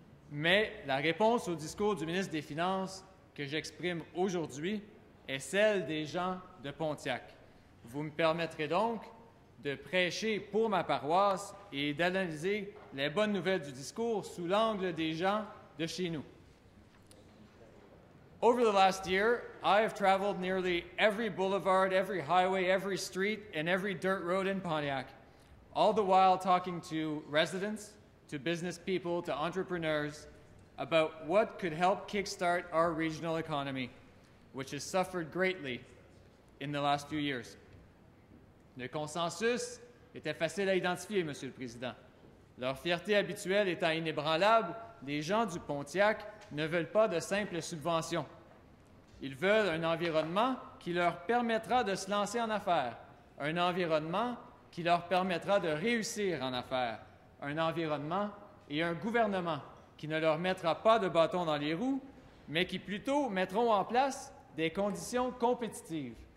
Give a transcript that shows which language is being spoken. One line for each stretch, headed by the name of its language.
French: Mais la réponse au discours du ministre des Finances que j'exprime aujourd'hui est celle des gens de Pontiac. Vous me permettrez donc de prêcher pour ma paroisse et d'analyser les bonnes nouvelles du discours sous l'angle des gens de chez nous.
English: Over the last year, I have traveled nearly every boulevard, every highway, every street, and every dirt road in Pontiac, all the while talking to residents, to business people, to entrepreneurs about what could help kickstart our regional economy, which has suffered greatly in the last few years.
French: Le consensus était facile à identifier, Monsieur le Président. Leur fierté habituelle étant inébranlable, les gens du Pontiac ne veulent pas de simples subventions. Ils veulent un environnement qui leur permettra de se lancer en affaires, un environnement qui leur permettra de réussir en affaires, un environnement et un gouvernement qui ne leur mettra pas de bâton dans les roues, mais qui plutôt mettront en place des conditions compétitives.